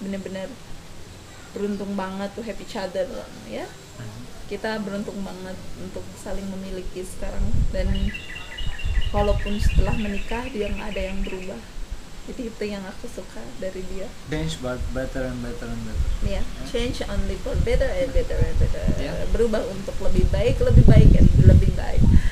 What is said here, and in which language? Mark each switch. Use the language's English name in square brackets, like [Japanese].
[Indonesian] Bener-bener beruntung banget tuh, [English] happy each other [Indonesian] ya. Kita beruntung banget untuk saling memiliki sekarang, dan walaupun setelah menikah dia nggak ada yang berubah. Jadi itu yang aku suka dari dia. [English] Change but better and better and better. Yeah, change only for better and better and better. Yeah. [Indonesian] Berubah untuk lebih baik, lebih baik and lebih baik.